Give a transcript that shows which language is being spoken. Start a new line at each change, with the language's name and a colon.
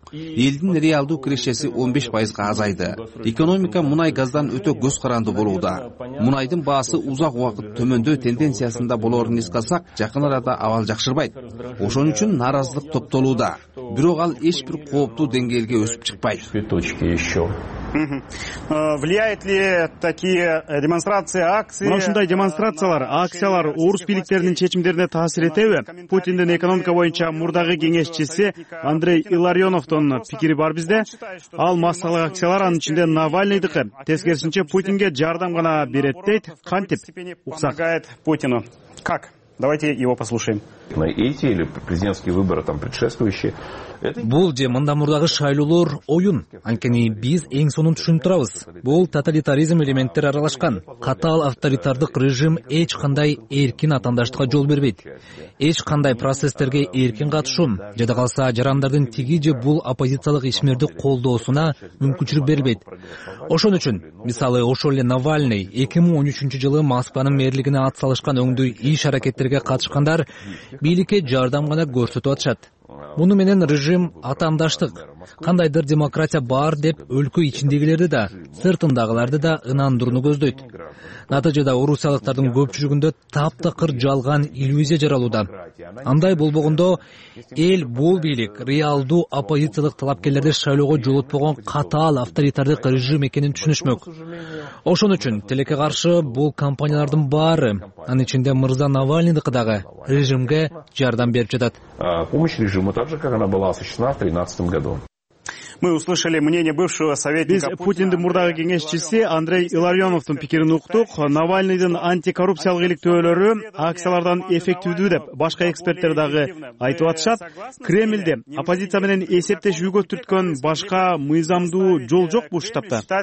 Kyrgyz: Элдин реалдуу кирешеси 15% азайды. Экономика мунай газдан өтө көз каранды болууда. Мунайдын баасы узак убакыт төмөндөө тенденциясында болорун эске алсак, жакын арада абал жакшырбайт. Ошон үчүн нааразылык топтолууда. Бирок ал эч бир кооптуу деңгээлге өсүп чыкпайт.
Russian: Влияет ли такие демонстрации, акции?
Kyrgyz: Ушундай демонстрациялар, акциялар орус бийликтеринин чечимдерине таасир этеби? Путиндин экономика боюнча мурдагы кеңешчиси Андрей Илларионовдун пикири бар бизде. Ал массалык акциялар анын ичинде Навальныйдыкы тескерисинче Путинге жардам гана берет дейт. Кантип?
Russian: Помогает Путину. Как? Давайте его послушаем. Эти или президентские выборы там предшествующие?
Kyrgyz: Бул же мында мурдагы шайлоолор оюн. Анткени биз эң сонун түшүнүп турабыз. Бул тоталитаризм элементтери аралашкан. Катаал авторитардык режим эч кандай эркин атаандаштыкка жол бербейт. Эч кандай процесстерге эркин катышуун, жада калса жарандардын тиги же бул оппозициялык ишмерди колдоосуна мүмкүнчүлүк бербейт. Ошон үчүн, мисалы, ошол эле Навальный 2013 жылы Москванын мэрлигине ат салышкан өңдүү иш аракеттерге катышкандар бийликке жардам гана көрсөтүп атышат. Муну менен режим атаандаштык, кандайдыр демократия бар деп өлкө ичиндегилерди да, сыртындагыларды да ынандырууну көздөйт. Натыйжада орусиялыктардын көпчүлүгүндө таптакыр жалган иллюзия жаралууда. Андай болбогондо эл бул бийлик реалдуу оппозициялык талапкерлерди шайлоого жолотпогон катаал авторитардык режим экенин түшүнүшмөк. Ошон үчүн тилекке каршы бул компаниялардын баары, анын ичинде Мырза Навальныйдыкы дагы режимге жардам берип жатат.
Russian: Помощь режиму так же, как она была осуществлена в 2013 году. Мы услышали мнение бывшего советника
Kyrgyz: Путина. Биз Путиндин мурдагы кеңешчиси Андрей Илларионовдун пикирин уктук. Навальныйдын антикоррупциялык иликтөөлөрү акциялардан эффективдүү деп башка эксперттер дагы айтып атышат. Кремльде оппозиция менен эсептешүүгө түрткөн башка мыйзамдуу жол жокпу штабта?